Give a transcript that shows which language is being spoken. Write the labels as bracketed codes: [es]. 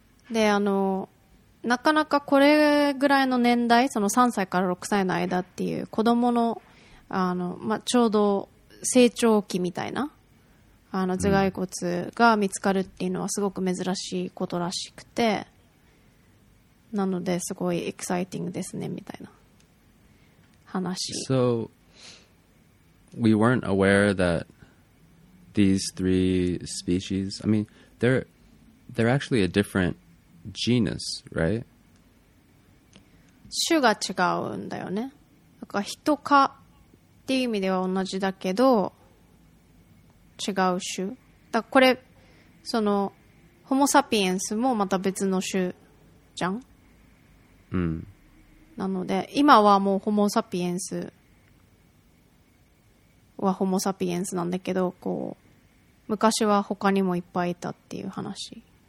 [ja] でなかなかこれぐらいの年代、その3歳から6歳の間っていう子供の、まあ、ちょうど成長期みたいな、頭蓋骨が見つかるっていうのはすごく珍しいことらしくて、なのですごいエキサイティングですねみたいな話。 [en] So, we weren't aware that these three species, I mean, they're actually a different genus, right? [ja] 種が違うんだよね。だから人かっていう意味では同じだけど違う種。だからこれそのホモサピエンスもまた別の種じゃん。うん。なので今はもうホモサピエンスはホモサピエンスなんだけど、こう昔は他にもいっぱいいたっていう話。